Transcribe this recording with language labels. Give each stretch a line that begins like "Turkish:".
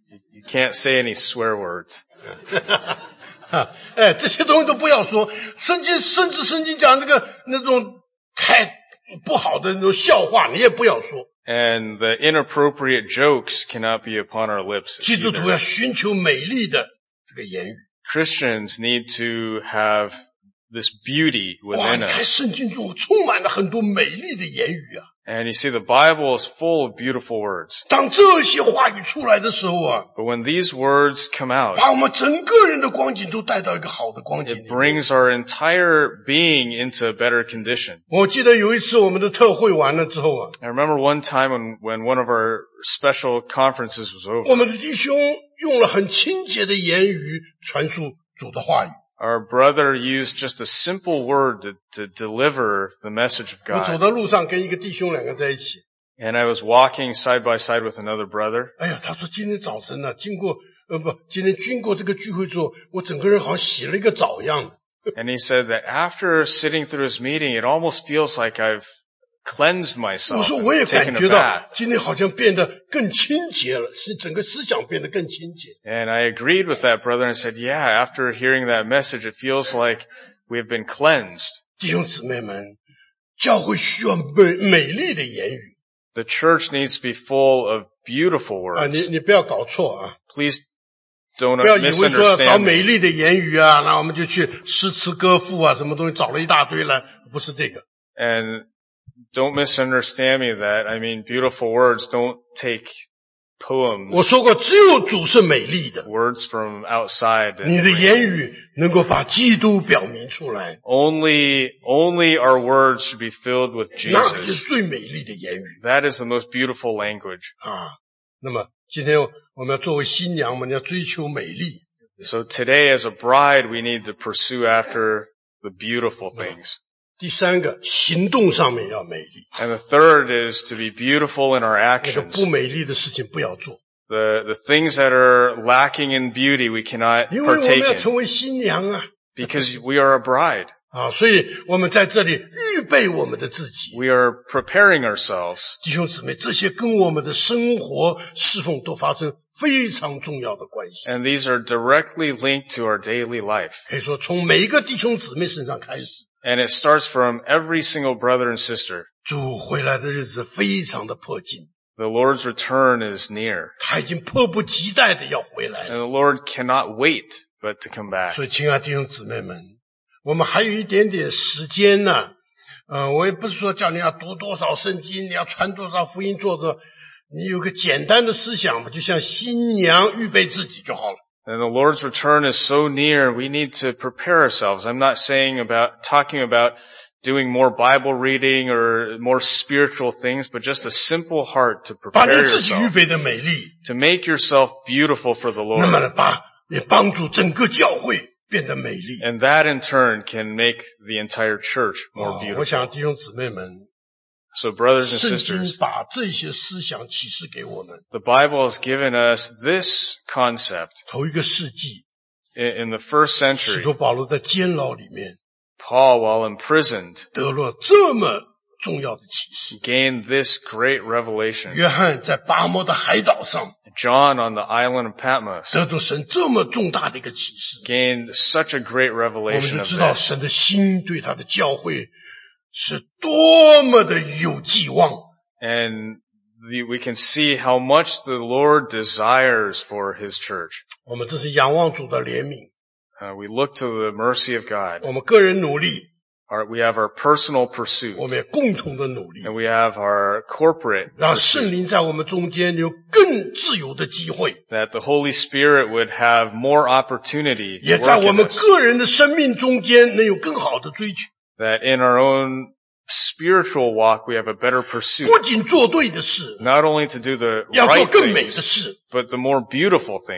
English: You can't say any swear words.
Chinese: 哎，这些东西都不要说。圣经甚至圣经讲这个那种太不好的那种笑话，你也不要说。
English: And the inappropriate jokes cannot be upon our lips.
Chinese: 基督徒要寻求美丽的这个言语。
English: Christians need to have this beauty within us.
Chinese: 哇，你看圣经中充满了很多美丽的言语啊。
English: And you see, the Bible is full of beautiful words.
Chinese: 当这些话语出来的时候啊，
English: But when these words come out,
Chinese: 把我们整个人的光景都带到一个好的光景里面，
English: It brings our entire being into a better condition.
Chinese: 我记得有一次我们的特会完了之后啊，
English: I remember one time when one of our special conferences was over.
Chinese: 我们的弟兄用了很清洁的言语传述主的话语。
English: Our brother used just a simple word to deliver the message of God.
Chinese: 我走到路上跟一个弟兄两个在一起。
English: And I was walking side by side with another brother.
Chinese: 哎呀，他说今天早晨呢，经过今天经过这个聚会之后，我整个人好像洗了一个澡一样的。
English: And he said that after sitting through his meeting, it almost feels like I've cleansed myself.
Chinese: 我说我也感觉到今天好像变得更清洁了，是整个思想变得更清洁。
English: And I agreed with that brother and said, yeah, after hearing that message, it feels like we have been cleansed.
Chinese: 弟兄姊妹们，教会需要美丽的言语。
English: The church needs to be full of beautiful words.
Chinese: 啊，你不要搞错啊。
English: Please don't misunderstand.
Chinese: 不要以为说找美丽的言语啊，那我们就去诗词歌赋啊，什么东西找了一大堆了，不是这个。
English: And don't misunderstand me that, I mean, beautiful words don't take poems.
Chinese: 我说过只有主是美丽的。
English: Words from outside.
Chinese: 你的言语能够把基督表明出来。
English: Only our words should be filled with Jesus.
Chinese: 那是最美丽的言语。
English: That is the most beautiful language.
Chinese: 啊，那么今天我们要作为新娘，我们要追求美丽。
English: So today as a bride, we need to pursue after the beautiful things.
Chinese: 第三个，行动上面要美丽。
English: And the third is to be beautiful in our actions.
Chinese: 那个不美丽的事情不要做。
English: The things that are lacking in beauty we cannot partake in.
Chinese: 因为我们要成为新娘啊。
English: Because we are a bride.
Chinese: 啊，所以我们在这里预备我们的自己。
English: We are preparing ourselves.
Chinese: 弟兄姊妹，这些跟我们的生活侍奉都发生非常重要的关系。
English: And these are directly linked to our daily life.
Chinese: 可以说从每一个弟兄姊妹身上开始。
English: And it starts from every single brother and sister.
Chinese: 主回来的日子非常的迫近。
English: The Lord's return is near.
Chinese: 他已经迫不及待的要回来。
English: And the Lord cannot wait but to come back.
Chinese: 所以亲爱弟兄姊妹们，我们还有一点点时间呢。我也不是说叫你要读多少圣经，你要传多少福音，做着你有个简单的思想，就像新娘预备自己就好了。
English: And the Lord's return is so near, we need to prepare ourselves. I'm not talking about doing more Bible reading or more spiritual things, but just a simple heart to prepare yourself. To make yourself beautiful for the Lord.
Chinese: 那么也帮助整个教会变得美丽。
English: And that in turn can make the entire church more beautiful.
Chinese: 我想弟兄姊妹们。
English: So brothers and sisters,
Chinese: 圣经把这些思想启示给我们。
English: The Bible has given us this concept.
Chinese: 头一个世纪。
English: In the first century,
Chinese: 使徒保罗在监牢里面。
English: Paul, while imprisoned,
Chinese: 得了这么重要的启示。
English: Gained this great revelation.
Chinese: 约翰在巴摩的海岛上。
English: John on the island of Patmos.
Chinese: 得到神这么重大的一个启示。
English: Gained such a great revelation.
Chinese: 我们就知道神的心对他的教会是多么的有寄望。
English: And we can see how much the Lord desires for His church.
Chinese: 我们这是仰望主的怜悯。
English: We look to the mercy of God.
Chinese: 我们个人努力。
English: We have our personal pursuit.
Chinese: 我们也共同的努力。
English: And we have our corporate pursuit.
Chinese: 让圣灵在我们中间有更自由的机会。
English: That the Holy Spirit would have more opportunity to work in us.
Chinese: 也在我们个人的生命中间能有更好的追求。
English: That in our own spiritual walk, we have a better pursuit.
Chinese: 不仅做对的事。
English: Not only to do the right things.
Chinese: 要做更美的事。
English: But the more beautiful things.